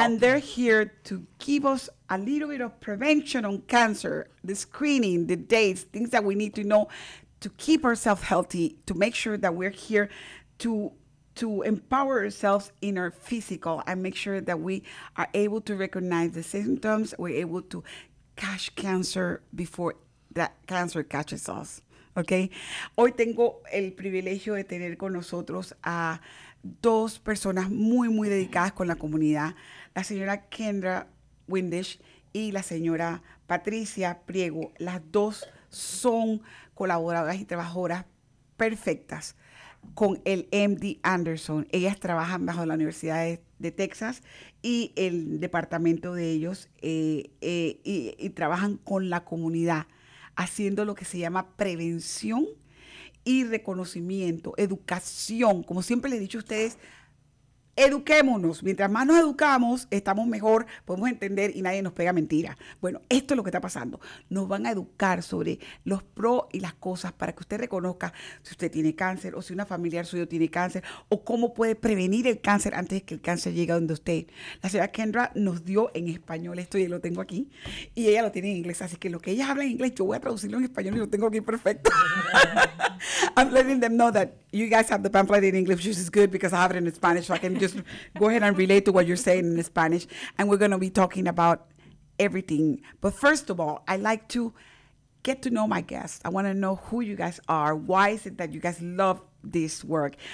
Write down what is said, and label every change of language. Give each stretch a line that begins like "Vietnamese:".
English: And they're here to give us a little bit of prevention on cancer, the screening, the dates, things that we need to know to keep ourselves healthy, to make sure that we're here to empower ourselves in our physical and make sure that we are able to recognize the symptoms, we're able to catch cancer before that cancer catches us, okay?
Spanish: Hoy tengo el privilegio de tener con nosotros a dos personas muy, muy dedicadas con la comunidad, la señora Kendra Windisch y la señora Patricia Priego. Las dos son colaboradoras y trabajadoras perfectas con el MD Anderson. Ellas trabajan bajo la Universidad de Texas y el departamento de ellos y trabajan con la comunidad haciendo lo que se llama prevención y reconocimiento, educación. Como siempre le he dicho a ustedes, eduquémonos. Mientras más nos educamos, estamos mejor, podemos entender y nadie nos pega mentira. Bueno, esto es lo que está pasando. Nos van a educar sobre los pros y las cosas para que usted reconozca si usted tiene cáncer o si una familiar suyo tiene cáncer o cómo puede prevenir el cáncer antes de que el cáncer llegue a donde usted. La señora Kendra nos dio en español esto y lo tengo aquí. Y ella lo tiene en inglés. Así que lo que ellas hablan en inglés, yo voy a traducirlo en español y lo tengo aquí perfecto.
English: I'm letting them know that you guys have the pamphlet in English, which is good because I have it in Spanish, so I can just go ahead and relate to what you're saying in Spanish, and we're going to be talking about everything. But first of all, I'd like to get to know my guests. I want to know who you guys are. Why is it that you guys love this work?